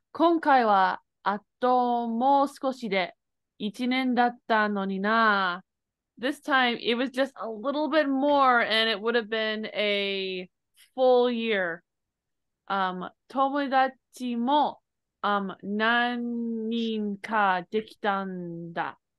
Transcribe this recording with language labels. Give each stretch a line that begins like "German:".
Japanese: 今回はあともう少しで1年だったのにな。
English: This time it was just a little bit more and it would have been a full year.
Japanese: 友達も、何人かできたんだ。